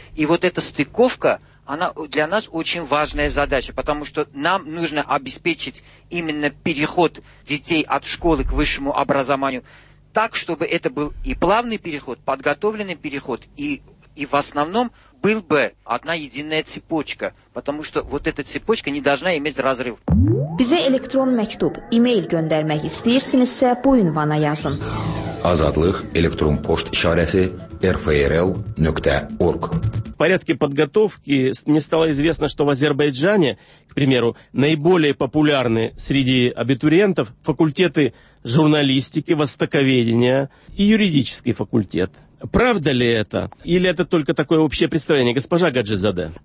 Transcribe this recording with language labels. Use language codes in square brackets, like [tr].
[ru] И вот эта стыковка, она для нас очень важная задача, потому что нам нужно обеспечить именно переход детей от школы к высшему образованию так, чтобы это был и плавный переход, подготовленный переход, и в основном был бы одна единая цепочка, потому что вот эта цепочка не должна иметь разрыв. [az] Bizə elektron məktub, e-mail göndərmək istəyirsinizsə, bu ünvana yazın. Azadlıq, elektron poçt işarəsi rfrl.org. [ru] В порядке подготовки мне стало известно, что в Азербайджане, к примеру, наиболее популярны среди абитуриентов факультеты журналистики, востоковедения и юридический факультет. Правда ли это? Или это только такое общее представление, госпожа Гаджизаде?